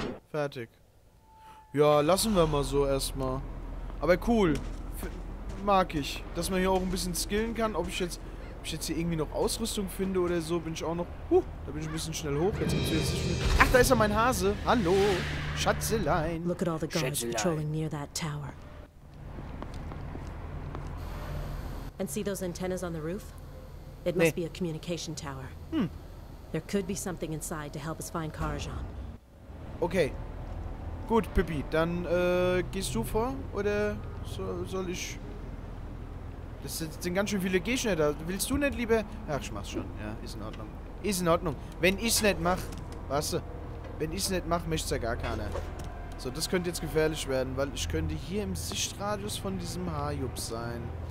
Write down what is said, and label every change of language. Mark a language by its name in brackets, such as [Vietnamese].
[German] Fertig. Ja, lassen wir mal so erstmal. Aber cool. Mag ich. Dass man hier auch ein bisschen skillen kann. Ob ich jetzt hier irgendwie noch Ausrüstung finde oder so, bin ich auch noch... da bin ich ein bisschen schnell hoch. Jetzt gibt's jetzt schon... Ach, da ist ja mein Hase. Hallo. Schätzelein. [English] Look at all the guards patrolling near that tower. And see those antennas on the roof? It must be a communication tower. There could be something inside to help us find Karajan. [German] Okay. Gut, Pippi. Dann gehst du vor oder soll ich... Das sind ganz schön viele Gegner da. Willst du nicht lieber... Ach, ich mach's schon. Ja, ist in Ordnung. Ist in Ordnung. Wenn ich's nicht mach... Weißt du? Wenn ich's nicht mach, möchte ja gar keiner. So, das könnte jetzt gefährlich werden, weil ich könnte hier im Sichtradius von diesem Haarjub sein.